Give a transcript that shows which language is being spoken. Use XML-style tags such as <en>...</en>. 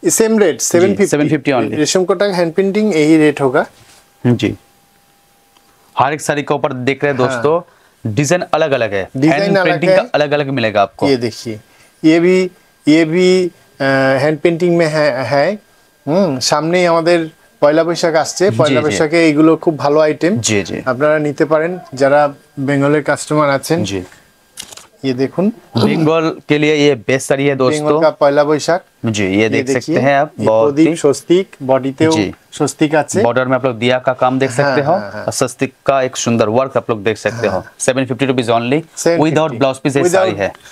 <hi>Same rate, 750 only. रेशम Kota hand painting यही rate होगा जी। हर एक साड़ी के ऊपर देख रहे हैं दोस्तों, डिजाइन अलग अलग है, डिजाइन पेंटिंग का अलग अलग मिलेगा आपको। ये देखिए, ये भी हैंड पेंटिंग में है। सामने हमारे पहला</hi> <bn>বৈশাখ আসছে, পয়লা বৈশাখে এইগুলো খুব ভালো আইটেম, জি জি, আপনারা নিতে পারেন যারা বেঙ্গলের কাস্টমার আছেন। জি, ये देखुन</bn> <hi>बंगाल के लिए ये बेस्ट साड़ी है दोस्तों, बंगाल का पहला বৈশাখ। जी, ये देख सकते हैं आप, प्रदीप स्वस्तिक बॉडी पे, स्वस्तिक</hi> <bn>आछे</bn> <hi>बॉर्डर में, आप लोग दिया का काम देख सकते हो, स्वस्तिक का एक सुंदर वर्क आप लोग देख सकते हो। 750 rupees only without blouse piece sari है,</hi>